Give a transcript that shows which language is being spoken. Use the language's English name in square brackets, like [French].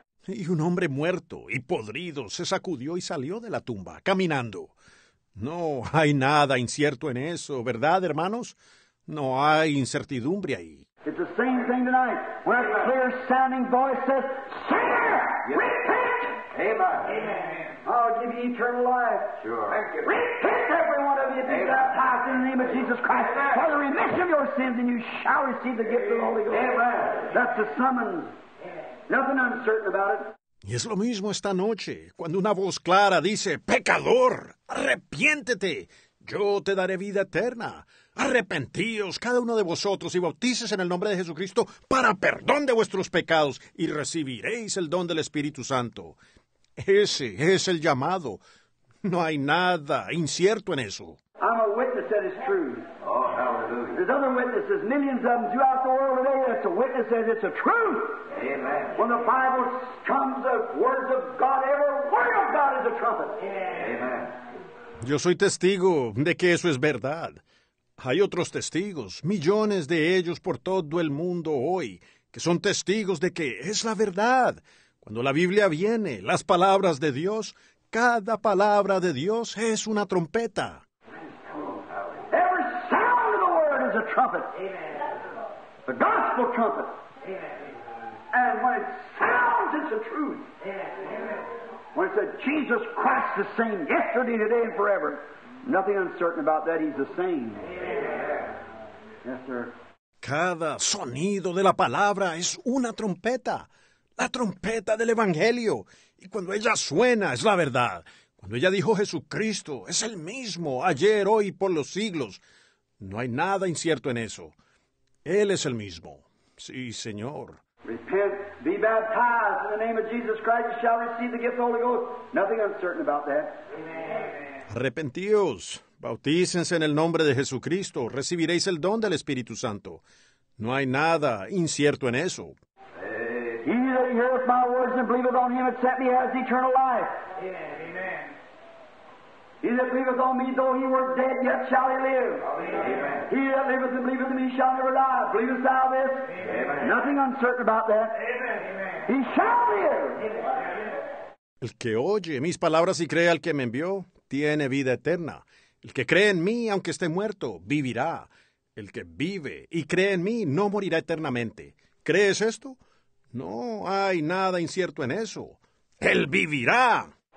[Spanish] Y un hombre muerto y podrido se sacudió y salió de la tumba, caminando. No hay nada incierto en eso, ¿verdad, hermanos? No hay incertidumbre ahí. [English] It's the same thing tonight. When a clear-sounding voice says, "Sinner, repent!" Amen. Amen. I'll give you eternal life. Sure. Thank you. Repent, every one of you, be baptized in the name of Jesus Christ. Amen. For the remission of your sins, and you shall receive the gift of the Holy Ghost. Amen. That's the summons. Nothing uncertain about it. [Spanish] Y es lo mismo esta noche, cuando una voz clara dice, ¡Pecador, arrepiéntete! Yo te daré vida eterna. Arrepentíos, cada uno de vosotros, y bautices en el nombre de Jesucristo para perdón de vuestros pecados, y recibiréis el don del Espíritu Santo. Ese es el llamado. No hay nada incierto en eso. [English] I'm a witness that is true. Oh, hallelujah. There's other witnesses, millions of them throughout the world today. It's a witness that it's a truth. Amen. When the Bible comes, the words of God, every word of God is a trumpet. Amen. [Spanish] Yo soy testigo de que eso es verdad. Hay otros testigos, millones de ellos por todo el mundo hoy, que son testigos de que es la verdad. Cuando la Biblia viene, las palabras de Dios, cada palabra de Dios es una trompeta. [English] Every sound of the word is a trumpet. Amen. The gospel trumpet. Amen. And when it sounds, it's the truth. Amen. When it said, Jesus Christ the same yesterday, today, and forever. Nothing uncertain about that. He's the same. Yes, sir. [Spanish] Cada sonido de la palabra es una trompeta, la trompeta del Evangelio. Y cuando ella suena, es la verdad. Cuando ella dijo Jesucristo, es el mismo, ayer, hoy, por los siglos. No hay nada incierto en eso. Él es el mismo. Sí, Señor. [English] Repent, be baptized in the name of Jesus Christ, you shall receive the gift of the Holy Ghost. Nothing uncertain about that. Amen. [Spanish] Arrepentíos. Bautícense en el nombre de Jesucristo. Recibiréis el don del Espíritu Santo. No hay nada incierto en eso. [English] He that heareth my words and believeth on him that sent me has eternal life. Amen. He that believeth on me, though he were dead, yet shall he live. Amen. He that liveth and believeth in me shall never die. Believest thou this? Amen. Nothing uncertain about that. Amen. He shall live. Amen. [Spanish] El que oye mis palabras y cree al que me envió, tiene vida eterna. El que cree en mí, aunque esté muerto, vivirá. El que vive y cree en mí, no morirá eternamente. ¿Crees esto? No hay nada incierto en eso. ¡Él vivirá!